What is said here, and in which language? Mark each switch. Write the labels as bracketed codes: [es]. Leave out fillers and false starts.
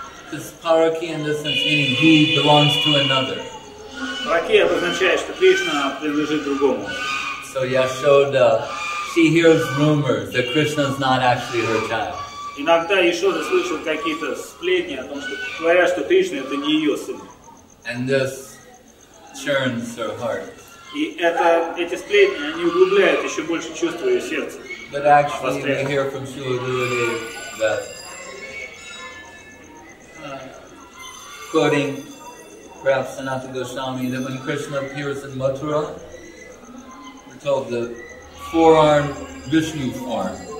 [en] This Parakia in this sense meaning he belongs to another. [ru] Parakia означает, что Кришна принадлежит другому. [en] So Yashoda, she hears rumors that Krishna is not actually her child. [ru] Иногда Яшода слышал какие-то сплетни о том, что говорят, что Кришна это не ее сын. [en] And this churns her heart. [ru] И это, эти сплетни, они углубляют еще больше чувства ее сердца. [en] But actually, we hear from Śrīla Gurudeva that, quoting perhaps Sanatana Goswami, that when Krishna appears in Mathura, we're told the four-armed Vishnu form.